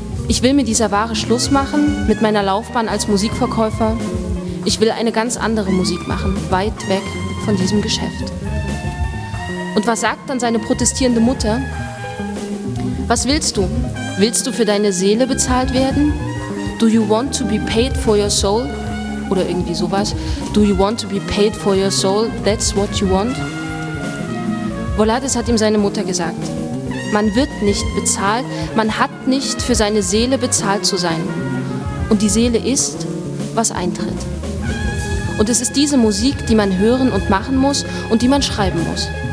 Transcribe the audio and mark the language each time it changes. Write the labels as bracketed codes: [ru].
[de] Ich will mit dieser Ware Schluss machen, mit meiner Laufbahn als Musikverkäufer. Ich will eine ganz andere Musik machen, weit weg von diesem Geschäft. Und was sagt dann seine protestierende Mutter? Was willst du? Willst du für deine Seele bezahlt werden? [en] Do you want to be paid for your soul? [de] Oder irgendwie sowas. [en] Do you want to be paid for your soul? That's what you want? [de] Volades hat ihm seine Mutter gesagt. Man wird nicht bezahlt, man hat nicht für seine Seele bezahlt zu sein. Und die Seele ist, was eintritt. Und es ist diese Musik, die man hören und machen muss und die man schreiben muss.